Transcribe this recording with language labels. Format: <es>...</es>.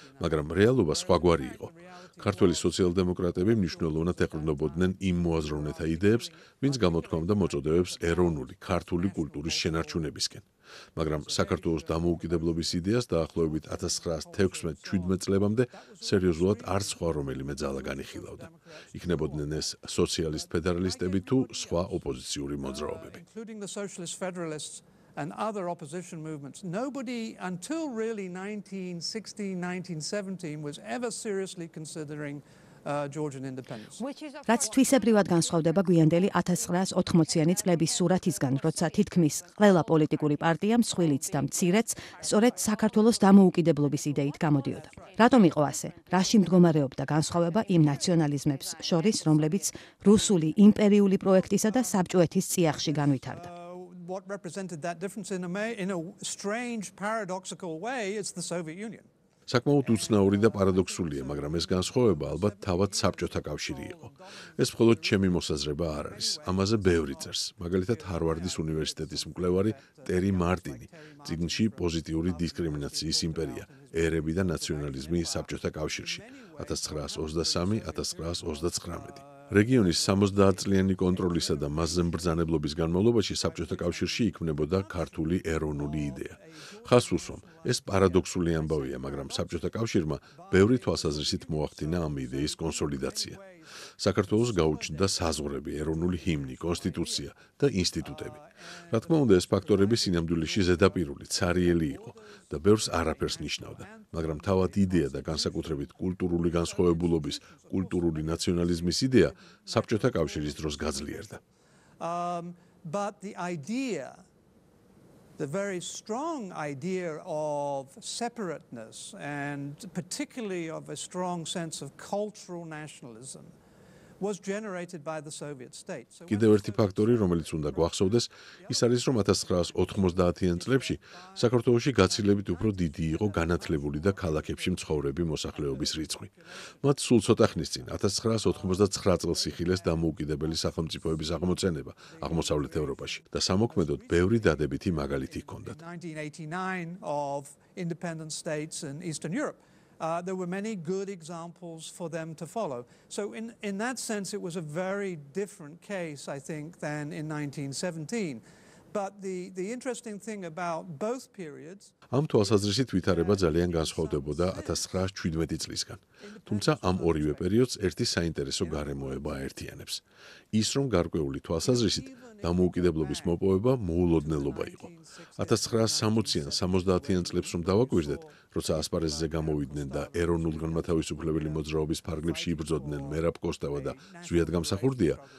<ka>მაგრამ რეალობა სხვაგვარი იყო. ქართველი სოციალ-დემოკრატები მნიშვნელოვნად ეყრდნობოდნენ იმ მოაზროვნეთა იდეებს, ვინც გამოთქვამდა მოწოდებებს ეროვნული ქართული კულტურის შენარჩუნებისკენ. მაგრამ საქართველოს დამოუკიდებლობის იდეას დაახლოებით 1916-17 წლებამდე სერიოზულად არ სხვა რომელიმე ძალა განიხილავდა. იქნებოდნენ ეს სოციალისტ ფედერალისტები თუ სხვა ოპოზიციური მოძრაობები.</ka> <en>Including the socialist federalists and other opposition movements, nobody until really 1916-1917 was ever seriously considering Georgian independence.</en> <ka>რაც თვისებრივად განსხვავდება გვიანდელი 1980-იანი წლების სურათისგან, როცა თითქმის ყველა პოლიტიკური პარტია მსხვილიც და მცირეც სწორედ საქართველოს დამოუკიდებლობის იდეით გამოდიოდა. რატომ იყო ასე? რაში მდგომარეობდა განსხვავება იმ ნაციონალიზმებს შორის, რომლებიც რუსული იმპერიული პროექტისა და საბჭოეთის წიაღში განვითარდა?</ka> <en>What represented that difference in a strange paradoxical way is the Soviet Union.</en> <ka>საკმაოდ უცნაური და პარადოქსულია, მაგრამ ეს განსხვავება ალბათ თავად საბჭოთა კავშირი იყო. ეს მხოლოდ ჩემი მოსაზრება არ არის. ამაზე ბევრი წერს, მაგალითად ჰარვარდის უნივერსიტეტის მკვლევარი ტერი მარტინი, წიგნში პოზიტიური დისკრიმინაციის იმპერია, ერები და ნაციონალიზმი საბჭოთა კავშირში 1923-1929. რეგიონის 70-წლიანი კონტროლისა და მასზე მბრძანებლობის განმავლობაში საბჭოთა კავშირში იქმნებოდა ქართული ეროვნული იდეა. ხას უსვამ, ეს პარადოქსული ამბავია, მაგრამ საბჭოთა კავშირმა ბევრი თვალსაზრისით მოახდინა ამ იდეის კონსოლიდაცია. საქართველოს გაუჩნდა საზღვრები, ეროვნული ჰიმნი, კონსტიტუცია და ინსტიტუტები. რა თქმა უნდა, ეს ფაქტორები სინამდვილეში ზედაპირული, ცარიელი იყო და ბევრს არაფერს ნიშნავდა. მაგრამ თავად იდეა და განსაკუთრებით კულტურული განსხვავებულობის, კულტურული ნაციონალიზმის იდეა საბჭოთა კავშირის დროს გაძლიერდა.</ka> <en>But the idea, the very strong idea of separateness and particularly of a strong sense of cultural nationalism was generated by the Soviet state.</en> <ka>კიდევ ერთი ფაქტორი, რომელიც უნდა გვახსოვდეს, ის არის, რომ 1990-იან წლებში საქართველოში გაცილებით უფრო დიდი იყო განათლებული და ქალაქებში მცხოვრები მოსახლეობის რიცხვი. მათ სულ ცოტა ხნის წინ, 1989 წელს იხილეს დამოუკიდებელი სახელმწიფოების აღმოცენება აღმოსავლეთ ევროპაში და სამოქმედოდ ბევრი დადებითი მაგალითი ჰქონდათ.</ka> <en>1989 of independent states in Eastern Europe. There were many good examples for them to follow. So in that sense it was a very different case, I think, than in 1917. But the interesting thing about both periods.</en> <ka>ამ თვალსაზრისით ვითარება ძალიან განსხვავდებოდა 1917 წლისგან. თუმცა ამ ორივე პერიოდს ერთი საინტერესო გარემოება აერთიანებს. ის, რომ გარკვეული თვალსაზრისით დამოუკიდებლობის მოპოვება მოულოდნელობა იყო. 1960-იან 70-იან წლებს რომ დავაკვირდეთ, როცა ასპარეზზე გამოვიდნენ და ეროვნულ-განმათავისუფლებელი მოძრაობის ფარგლებში იბრძოდნენ მერაბ კოსტავა და ზვიად გამსახურდია,</ka>